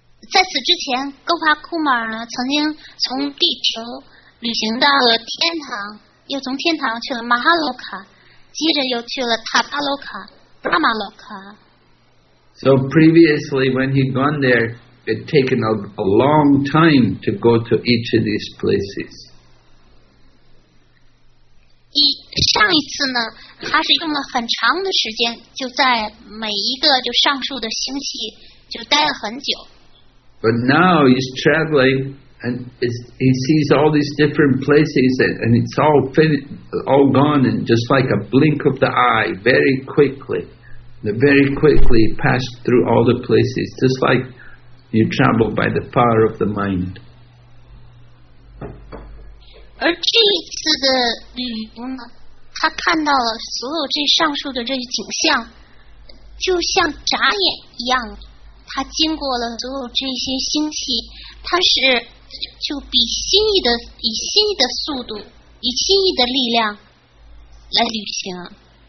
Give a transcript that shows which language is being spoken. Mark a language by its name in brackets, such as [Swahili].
[Chinese] 在此之前 ，Gop Kumar 呢曾经从地球旅行到了天堂，又从天堂去了 Mahaloka， 接着又去了 Tapaloka。 [English] So previously, when he'd gone there, it'd taken a long time to go to each of these places. [Chinese] 上一次呢，他是用了很长的时间，就在每一个就上述的星系就待了很久。 [English] But now he's traveling and he sees all these different places and it's all gone in just like a blink of the eye, very quickly. Very quickly passed through all the places, just like you travel by the power of the mind. [Chinese] 而这一次的旅游呢，他看到了所有这上述的这些景象，就像眨眼一样，他经过了所有这些星系，他是就以心意的速度，以心意的力量来旅行。